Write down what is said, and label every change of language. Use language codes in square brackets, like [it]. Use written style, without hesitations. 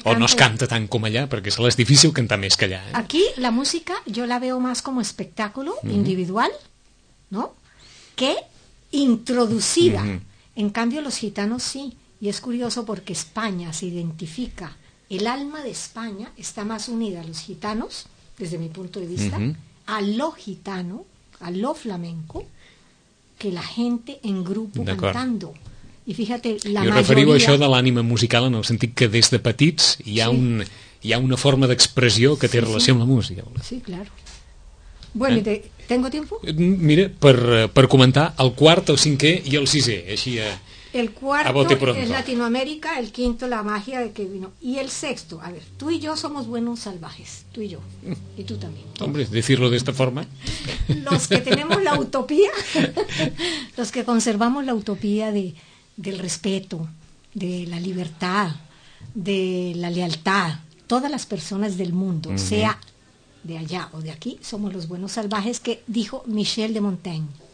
[ca] canta. O no es canta tant com allà, perquè és difícil cantar més que allà. [es] Aquí la música yo la veo más como espectáculo individual, ¿no? Que introducida. En cambio los gitanos sí, y es curioso porque España se identifica, el alma de España está más unida a los gitanos, desde mi punto de vista, a lo gitano, a lo flamenco, que la gente en grupo cantando. Y fíjate, la mayoría... [ca] Yo referiu a això de l'ànima musical en el sentit que des de petits hi ha, hi ha una forma d'expressió que té relació amb la música. [es] Sí, claro. Bueno, ¿tengo tiempo? [ca] Mira, per comentar el quart, el cinquè i el sisè, així a... [es] El cuarto es Latinoamérica, el quinto la magia de que vino. Y el sexto, a ver, tú y yo somos buenos salvajes, tú y yo, y tú también. Hombre, decirlo de esta forma. Los que tenemos la utopía, los que conservamos la utopía del respeto, de la libertad, de la lealtad, todas las personas del mundo, sea de allá o de aquí, somos los buenos salvajes que dijo Michel de Montaigne.